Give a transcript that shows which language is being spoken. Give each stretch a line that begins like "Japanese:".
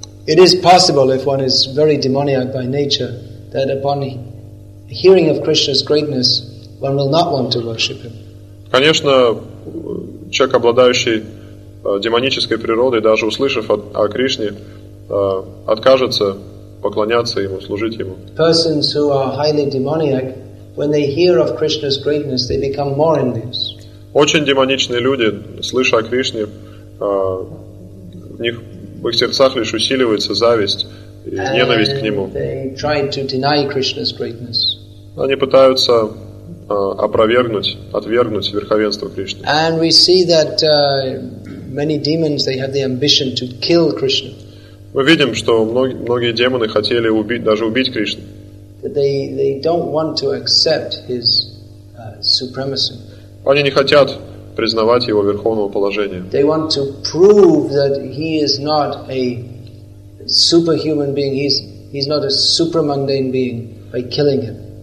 English: It is possible if one is very demoniac by nature that upon hearing of Krishna's greatness one will not want to worship him.
Russian: Конечно, человек, обладающий демонической природой, даже услышав о Кришне, откажется поклоняться ему, служить ему.
English: Persons who are highly demoniac, when they hear of Krishna's greatness, they become more envious.
Russian: Очень демоничные люди, слыша о Кришне, в их сердцах лишь усиливается зависть и ненависть к нему.
English: They try to deny Krishna's greatness.
Russian: Они пытаются опровергнуть, отвергнуть верховенство Кришны.
English: And we see that many demons, they have the ambition to kill Krishna.
Russian: Мы видим, что многие демоны хотели убить, даже убить Кришну.
English: They don't want to accept his supremacy.
Russian: Они не хотят признавать его верховного положения.
English: They want to prove that he is not a superhuman being, he's not a supermundane being by killing him.